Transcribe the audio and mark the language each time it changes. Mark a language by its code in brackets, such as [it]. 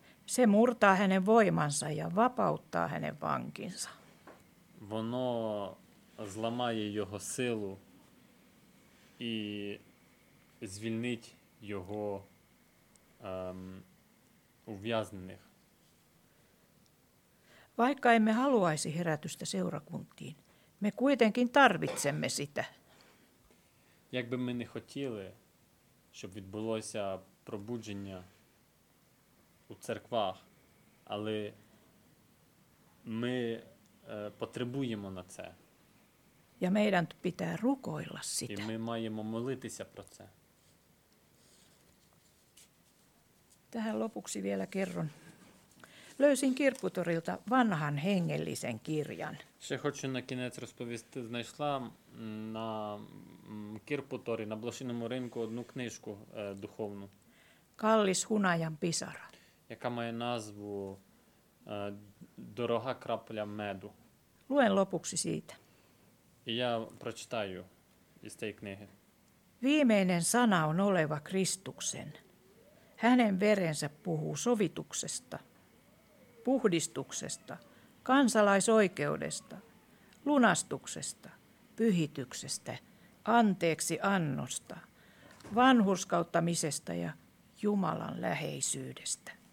[fi] Se murtaa hänen voimansa ja vapauttaa hänen vankinsa. [uk] Воно зламає його силу і звільнить його ув'язнених. [fi] Vaikka emme haluaisi herätystä seurakuntiin, me kuitenkin tarvitsemme sitä. [uk] Якби ми не хотіли, щоб відбулося пробудження у церквах, але ми потребуємо на це. [fi] Ja meidän pitää rukoilla sitä. [uk] І ми маємо молитися про це. [fi] Tähän lopuksi vielä kerron. Löysin kirpputorilta vanhan hengellisen kirjan. [uk] Ще хочу на кінець розповісти. Знайшла на кирпуторі, на блошиному ринку, одну книжку духовну. [fi] Kallis hunajan pisara. [uk] Яка має назву «Дорога крапля меду». [fi] Luen lopuksi siitä. [uk] Я прочитаю із цієї книги. [fi] Viimeinen sana on oleva Kristuksen. Hänen verensä puhuu sovituksesta, puhdistuksesta, kansalaisoikeudesta, lunastuksesta, pyhityksestä, anteeksi annosta, vanhurskauttamisesta ja Jumalan läheisyydestä.